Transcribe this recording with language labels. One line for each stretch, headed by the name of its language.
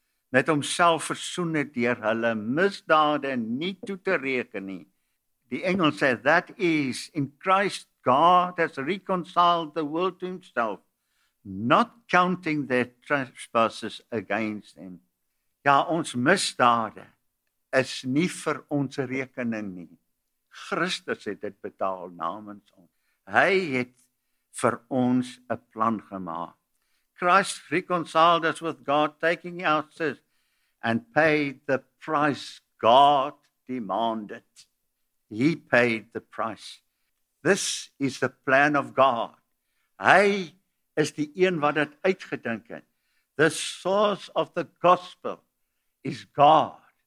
Afrikaans: met homself versoen het deur hulle misdade nie toe te reken nie. Die engel sê,
English: that is, in Christ God has reconciled the world to himself, not counting their trespasses against them.
Afrikaans: Ja, ons misdade is nie vir ons rekening nie. Christus het dit betaal namens ons. Hy het vir ons 'n plan gemaak.
English: Christ reconciled us with God, taking our sins and paid the price God demanded. He paid the price. This is the plan of God.
Afrikaans: Hy is die een wat dit uitgedink het.
English: The source of the gospel is God.